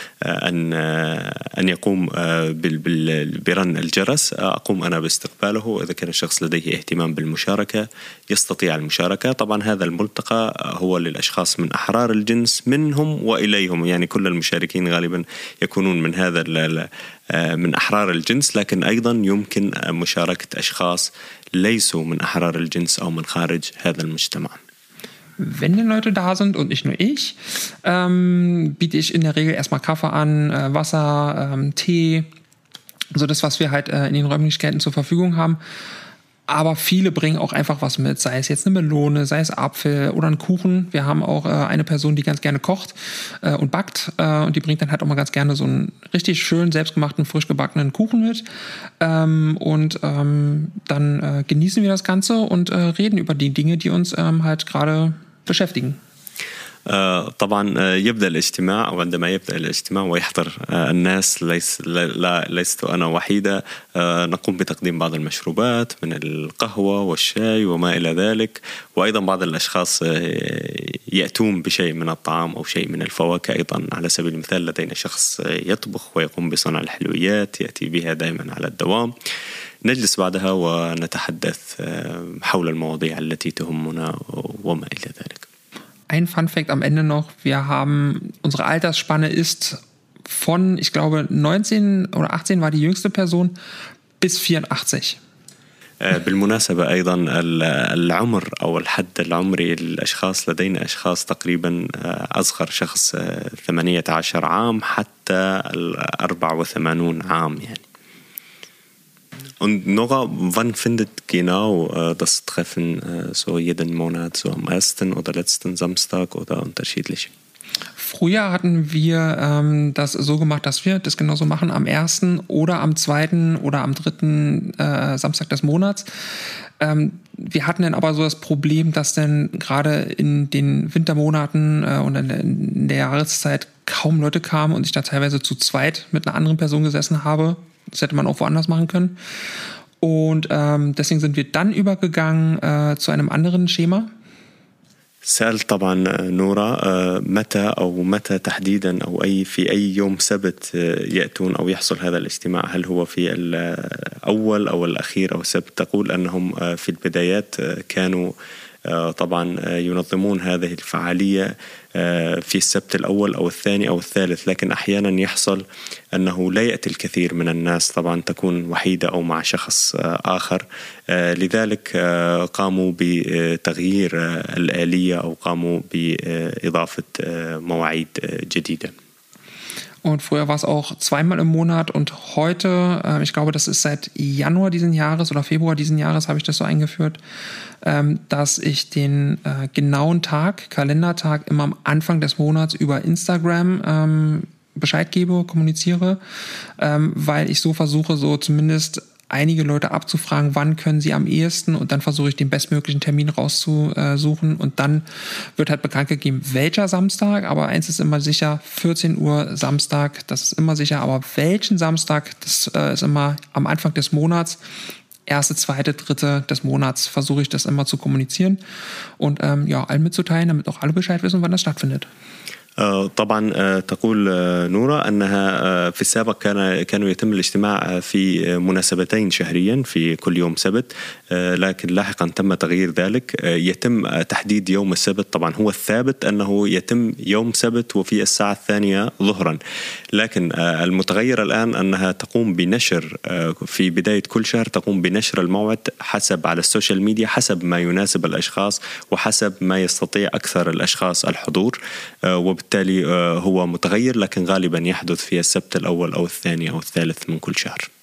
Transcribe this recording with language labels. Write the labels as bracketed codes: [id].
[ar] أن يقوم برن الجرس أقوم أنا باستقباله إذا كان الشخص لديه اهتمام بالمشاركة يستطيع المشاركة طبعا هذا الملتقى هو للأشخاص من أحرار الجنس منهم وإليهم يعني كل المشاركين غالبا يكونون من هذا من أحرار الجنس لكن أيضا يمكن مشاركة أشخاص ليسوا من أحرار الجنس أو من خارج هذا المجتمع. [de] Wenn die Leute da sind und nicht nur ich, biete ich in der Regel erstmal Kaffee an, Wasser, Tee, so das, was wir halt in den Räumlichkeiten zur Verfügung haben. Aber viele bringen auch einfach was mit, sei es jetzt eine Melone, sei es Apfel oder ein Kuchen. Wir haben auch eine Person, die ganz gerne kocht und backt. Und die bringt dann halt auch mal ganz gerne so einen richtig schönen, selbstgemachten, frisch gebackenen Kuchen mit. Dann genießen wir das Ganze und reden über die Dinge, die uns halt gerade beschäftigen. [ar] طبعا يبدا الاجتماع وعندما يبدا الاجتماع ويحضر الناس لست انا وحيده نقوم بتقديم بعض المشروبات من القهوه والشاي وما الى ذلك وايضا بعض الاشخاص ياتون بشيء من الطعام او شيء من الفواكه ايضا على سبيل المثال لدينا شخص يطبخ ويقوم بصنع الحلويات ياتي بها دائما على الدوام نجلس بعدها ونتحدث حول المواضيع التي تهمنا وما الى ذلك [de] Ein Funfact am Ende noch, unsere Altersspanne ist von, ich glaube, 19 oder 18 war die jüngste Person, bis 84. [ar] بالمناسبة أيضا العمر أو الحد العمري للأشخاص لدينا أشخاص تقريبا أصغر شخص 18 عام حتى 84 عام يعني. [de] Und Nora, wann findet genau das Treffen so jeden Monat, so am ersten oder letzten Samstag oder unterschiedlich? Früher hatten wir das so gemacht, dass wir das genauso machen, am ersten oder am zweiten oder am dritten Samstag des Monats. Wir hatten dann aber so das Problem, dass dann gerade in den Wintermonaten und in der Jahreszeit kaum Leute kamen und ich da teilweise zu zweit mit einer anderen Person gesessen habe. Das hätte man auch woanders machen können. Und deswegen sind wir dann übergegangen zu einem anderen Schema. [ar] سألت طبعا نورا متى أو متى تحديدا أو أي في أي يوم سبت يأتون أو يحصل هذا الاجتماع هل هو في الأول أو الأخير أو سبت تقول أنهم في البدايات كانوا طبعا ينظمون هذه الفعالية في السبت الأول أو الثاني أو الثالث لكن أحيانا يحصل أنه لا يأتي الكثير من الناس طبعا تكون وحيدة أو مع شخص آخر لذلك قاموا بتغيير الآلية أو قاموا بإضافة مواعيد جديدة [de] Und früher war es auch zweimal im Monat und heute, ich glaube, das ist seit Januar diesen Jahres oder Februar diesen Jahres, habe ich das so eingeführt, dass ich den genauen Tag, Kalendertag, immer am Anfang des Monats über Instagram Bescheid gebe, kommuniziere, weil ich so versuche, so zumindest einige Leute abzufragen, wann können sie am ehesten und dann versuche ich den bestmöglichen Termin rauszusuchen und dann wird halt bekannt gegeben, welcher Samstag, aber eins ist immer sicher, 14 Uhr Samstag, das ist immer sicher, aber welchen Samstag, das ist immer am Anfang des Monats, erste, zweite, dritte des Monats versuche ich das immer zu kommunizieren und allen mitzuteilen, damit auch alle Bescheid wissen, wann das stattfindet. [ar] طبعا تقول نورا أنها في السابق كانوا يتم الاجتماع في مناسبتين شهريا في كل يوم سبت، لكن لاحقا تم تغيير ذلك، يتم تحديد يوم السبت. طبعا هو الثابت أنه يتم يوم سبت وفي الساعة الثانية ظهرا، لكن المتغير الآن أنها تقوم بنشر في بداية كل شهر، تقوم بنشر الموعد حسب على السوشيال ميديا، حسب ما يناسب الأشخاص وحسب ما يستطيع أكثر الأشخاص الحضور، وبالتالي هو متغير لكن غالبا يحدث في السبت الأول أو الثاني أو الثالث من كل شهر.